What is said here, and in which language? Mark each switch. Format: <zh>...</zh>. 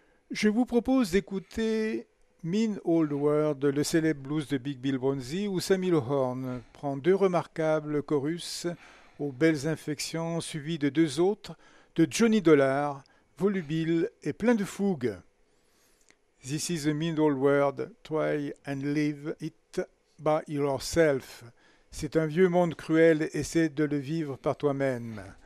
<fr>Je vous propose d'écouter Mean Old World, le célèbre blues de Big Bill Bronzy, où Sammy Lohorn prend deux remarquables chorus aux belles inflexions, suivis de deux autres, de Johnny Dollar, volubile et plein de fougue.</fr> <en>This is a mean old world, try and live it by yourself.</en> <fr>C'est un vieux monde cruel, essaie de le vivre par toi-même.</fr>